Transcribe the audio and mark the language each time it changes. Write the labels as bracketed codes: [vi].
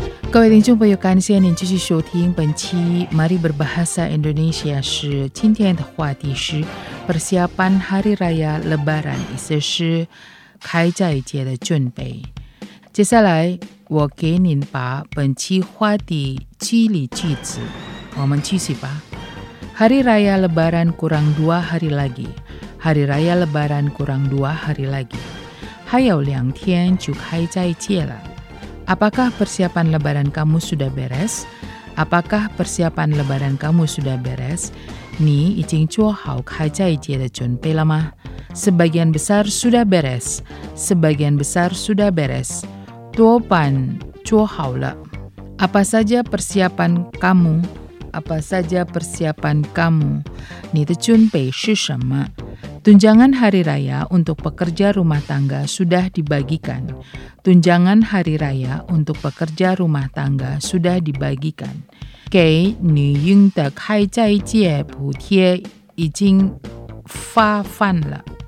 [zh] 各位听众朋友，感谢您继续收听本期 Mari Berbahasa Indonesia。是今天的话题是 [id] Persiapan Hari Raya Lebaran， [zh] 意思是开斋节的准备。接下来我给您把本期话题激励句子，我们继续吧。 [id] Hari Raya Lebaran kurang dua hari lagi， Hari Raya Lebaran kurang dua hari lagi， [zh] 还有两天就开斋节了。 [id] Apakah persiapan lebaran kamu sudah beres？ Apakah persiapan lebaran kamu sudah beres？ [zh] 你已经做好开斋节的准备了吗？ [id] Sebagian besar sudah beres， Sebagian besar sudah beres， [zh] 多半做好了。 [id] Apa saja persiapan kamu？ Apa saja persiapan kamu？ [zh] 你的准备是什么？ [id] Tunjangan Hari Raya untuk pekerja rumah tangga sudah dibagikan。 Tunjangan Hari Raya untuk pekerja rumah tangga sudah dibagikan。 [zh] 给女婴的开斋节补贴已经发放了。